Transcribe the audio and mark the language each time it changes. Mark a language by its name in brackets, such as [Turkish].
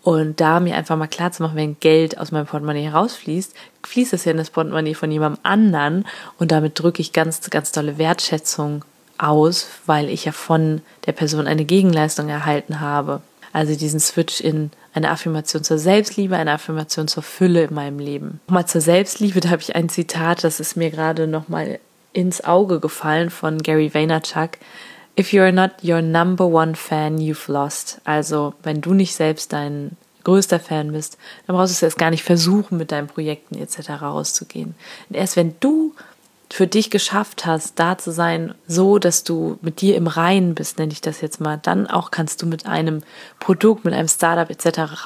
[German] Und da mir einfach mal klar zu machen, wenn Geld aus meinem Portemonnaie herausfließt, fließt es ja in das Portemonnaie von jemand anderen und damit drücke ich ganz, ganz tolle Wertschätzung aus, weil ich ja von der Person eine Gegenleistung erhalten habe. Also diesen Switch in eine Affirmation zur Selbstliebe, eine Affirmation zur Fülle in meinem Leben. Nochmal zur Selbstliebe, da habe ich ein Zitat, das ist mir gerade nochmal ins Auge gefallen von Gary Vaynerchuk. [English] If you're not your number one fan, you've lost. [German] Also wenn du nicht selbst dein größter Fan bist, dann brauchst du es erst gar nicht versuchen, mit deinen Projekten etc. rauszugehen. Und erst wenn du für dich geschafft hast, da zu sein, so dass du mit dir im Reinen bist, nenne ich das jetzt mal, dann auch kannst du mit einem Produkt, mit einem Startup etc.